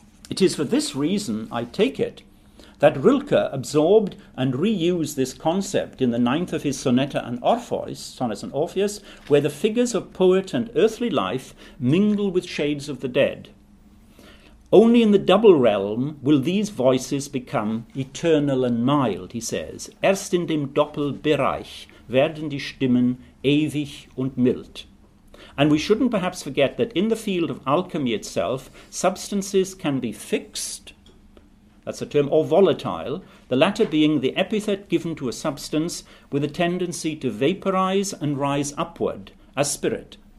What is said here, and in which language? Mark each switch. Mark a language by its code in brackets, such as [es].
[en] It is for this reason, I take it, that Rilke absorbed and reused this concept in the ninth of his Sonnets on Orpheus, where the figures of poet and earthly life mingle with shades of the dead. Only in the double realm will these voices become eternal and mild, he says. [de] Erst in dem Doppelbereich werden die Stimmen ewig und mild. [en] And we shouldn't perhaps forget that in the field of alchemy itself, substances can be fixed, that's a term, or volatile, the latter being the epithet given to a substance with a tendency to vaporize and rise upward as spirit.